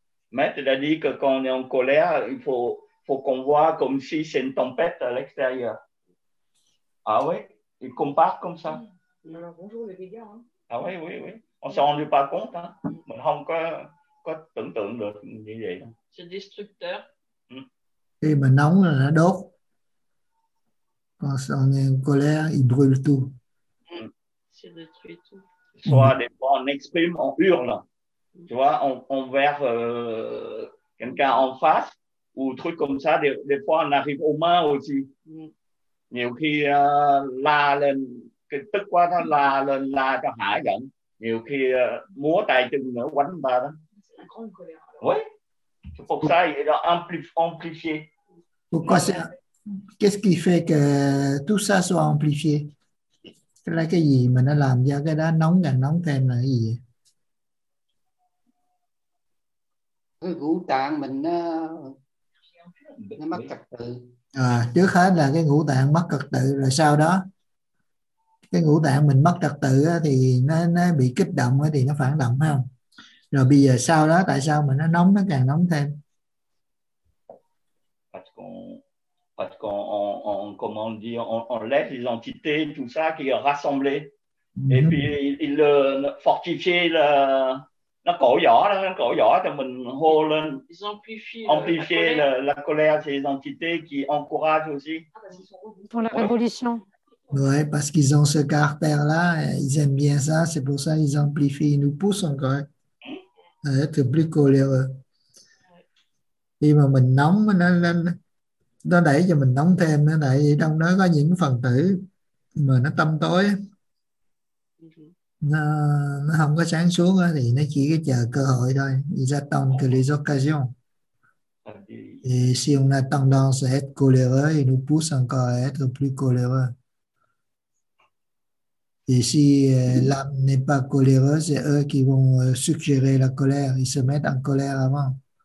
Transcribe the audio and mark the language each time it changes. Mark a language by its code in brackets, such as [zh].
[fr] Maître a dit que quand on est en colère, il faut qu'on voit comme si c'est une tempête à l'extérieur. Ah oui, il compare comme ça. Bonjour les gars. À oui, oui, oui. On s'en rend pas compte. Hein? [vi] Mình không có tưởng tượng được như vậy. [fr] C'est destructeur. [vi] Khi mà nóng là nó đốt. [fr] Quand on est en colère, il brûle tout. C'est détruit tout. Soit des fois on exprime, on hurle. Tu vois, on verse quelqu'un en face ou truc comme ça. Des fois on arrive aux mains aussi. [vi] Nhiều khi la lên. Cái tức quá nó la cho hả giận. Nhiều khi múa tay chân nữa quánh ba đó. [fr] Oui. C'est pour ça il a amplifié. Pourquoi ça? Qu'est-ce qui fait que tout ça soit amplifié? C'est là [vi] cái gì mà nó làm cho cái đó nóng càng nóng thêm là cái gì? Cái ngũ tạng mình nó mất trật tự. À, trước hết là cái ngũ tạng mất trật tự rồi sau đó cái ngũ tạng mình mất trật tự thì nó bị kích động thì nó phản động phải không? Rồi bây giờ sau đó tại sao mà nó nóng nó càng nóng thêm? [fr] Parce qu'on on comment dire on laisse les entités tout ça qui est rassemblé et puis il le fortifie le [vi] nó cổ vỏ đó, nó cổ vỏ cho mình hô lên. [fr] Amplifié la colère ces entités qui encourage aussi pour la révolution. Oui, parce qu'ils ont ce caractère-là, ils aiment bien ça, c'est pour ça qu'ils amplifient, ils nous poussent encore à être plus coléreux. [vi] Khi mà mình nóng, nó đẩy cho mình nóng thêm, nó đẩy trong đó có những phần tử mà nó tâm tối, nó không có sáng suốt đó, thì nó chỉ có chờ cơ hội thôi. [fr] Ils attendent que les occasions. Et si on a tendance à être coléreux, ils nous poussent encore à être plus coléreux. Et si l'âme n'est pas coléreuse, c'est eux qui vont suggérer la colère. Ils se mettent en colère avant.